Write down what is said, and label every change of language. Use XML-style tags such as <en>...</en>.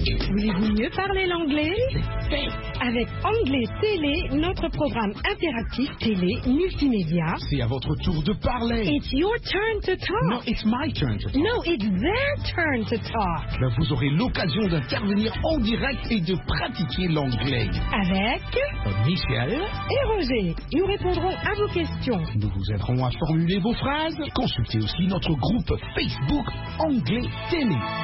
<fr>Voulez-vous mieux parler l'anglais? Avec Anglais Télé, notre programme interactif télé multimédia. C'est à votre tour de parler.</fr> <en>It's your turn to talk. No, it's my turn to talk. No, it's their turn to talk.</en> <fr>Ben, vous aurez l'occasion d'intervenir en direct et de pratiquer l'anglais. Avec Michel et Roger. Nous répondrons à vos questions. Nous vous aiderons à formuler vos phrases. Consultez aussi notre groupe Facebook Anglais Télé.</fr>